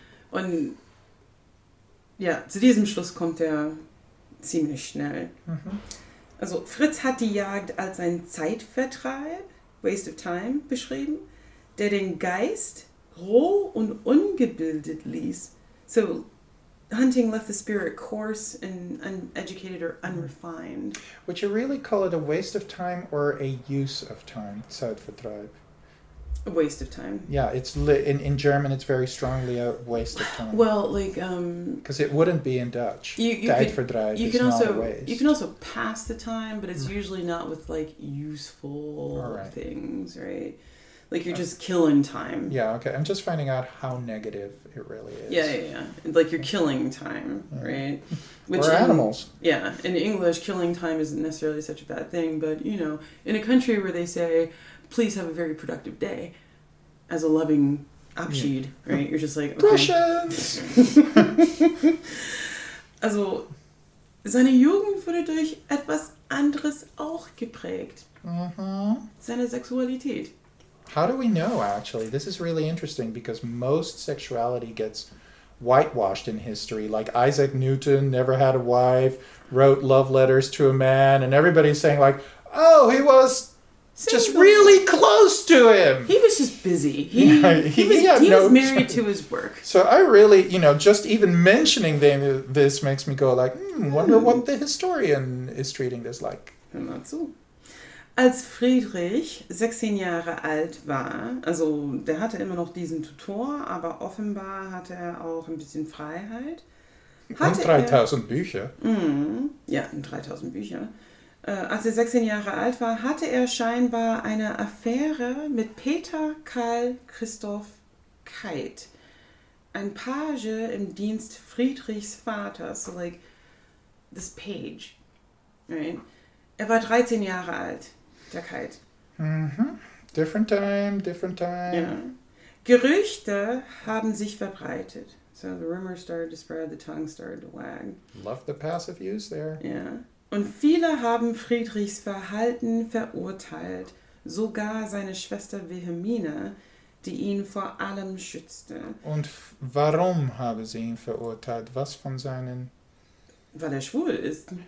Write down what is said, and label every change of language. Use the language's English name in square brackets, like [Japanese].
[German] Und ja, zu diesem Schluss kommt er ziemlich schnell. Mhm. Also Fritz hat die Jagd als einen Zeitvertreib, [English] waste of time, [German] beschrieben, der den Geist roh und ungebildet ließ. [English] So, hunting left the spirit coarse and uneducated or unrefined. Would you really call it a waste of time or a use of time, Zeitvertreib? A waste of time. Yeah, it's in German, it's very strongly a waste of time. Well, like... Because it wouldn't be in Dutch. Zeitvertreib is not a waste. You can also pass the time, but it's usually not with, like, useful things, right? Like, you're just killing time. Yeah, okay. I'm just finding out how negative it really is. Yeah. Like, you're killing time, right? Which we're animals. Yeah. In English, killing time isn't necessarily such a bad thing, but, you know, in a country where they say, please have a very productive day, as a loving Abschied, right? You're just like, okay. Russians! [German] Also, seine Jugend wurde durch etwas anderes auch geprägt. Uh-huh. Seine Sexualität. [English] How do we know, actually? This is really interesting, because most sexuality gets whitewashed in history. Like, Isaac Newton never had a wife, wrote love letters to a man, and everybody's saying, like, oh, he was... Same just thing. Really close to him. He was just busy. He was married to his work. So I really, you know, just even mentioning this makes me go like, wonder what the historian is treating this like. [German] Hör mal zu. Als Friedrich 16 Jahre alt war, also der hatte immer noch diesen Tutor, aber offenbar hatte er auch ein bisschen Freiheit. Hatte und 3000 Bücher. Ja, und 3000 Bücher. Als er 16 Jahre alt war, hatte er scheinbar eine Affäre mit Peter Karl Christoph Keit, ein Page im Dienst Friedrichs Vaters, [English] so like this page, right? [German] Er war 13 Jahre alt, der Keit. [English] Mhm. Different time, different time. [German] Ja. Gerüchte haben sich verbreitet. [English] So the rumors started to spread, the tongue started to wag. Love the passive use there. [German] Ja. Und viele haben Friedrichs Verhalten verurteilt, sogar seine Schwester Wilhelmine, die ihn vor allem schützte. Und warum habe sie ihn verurteilt? Was von seinen... Weil er schwul ist.